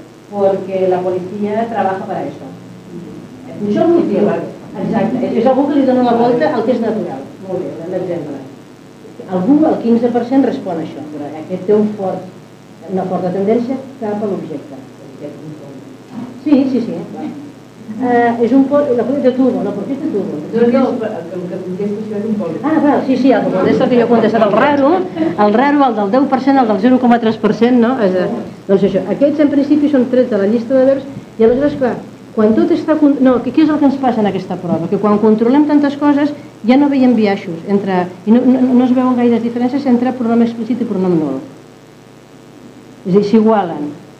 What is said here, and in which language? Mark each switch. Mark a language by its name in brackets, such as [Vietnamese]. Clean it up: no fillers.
[Spanish] Porque la policía trabaja para eso. [Catalan] Puig algú sí, exacte. És algú que li dona la volta al que és natural. Molt bé, l'exemple. Algú, el 15% respon a això, però aquest té un fort, una forta tendència cap a l'objecte. Sí, sí, sí. És un pol, la policia de Tubo, no, per què és de Tubo? No, el que contesto és un pol. Ah, clar, sí, sí, el que jo he contestat, el raro, el del 10%, el del 0,3%, no? És, doncs això, aquests en principi són trets de la llista de verbs, i aleshores, clar, quan tot està... No, què és el que ens passa en aquesta prova? Que quan controlem tantes coses ja no veiem biaixos, entre, i no es veuen gaires diferències entre pronom explícit i pronom nul. És a dir, s'igualen.